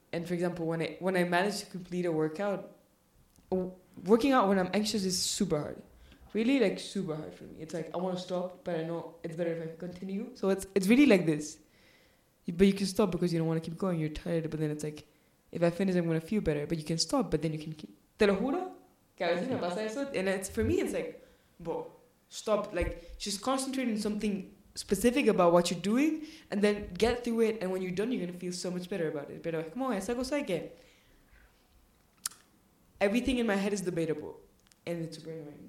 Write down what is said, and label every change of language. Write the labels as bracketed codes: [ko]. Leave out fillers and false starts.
[en] And for example, when I manage to complete a workout, working out when I'm anxious is super hard. Really, like, super hard for me. It's like, I want to stop, but I know it's better if I continue. So it's really like this. But you can stop because you don't want to keep going. You're tired, but then it's like, if I finish, I'm going to feel better. But you can stop, but then you can keep... [es] Te lo juro que a veces me pasa eso. [en] And it's, for me, it's like, bro, stop. Like, just concentrate on something specific about what you're doing, and then get through it, and when you're done, you're going to feel so much better about it. [es] Pero es como esa cosa que... [en] Everything in my head is debatable, and it's brain.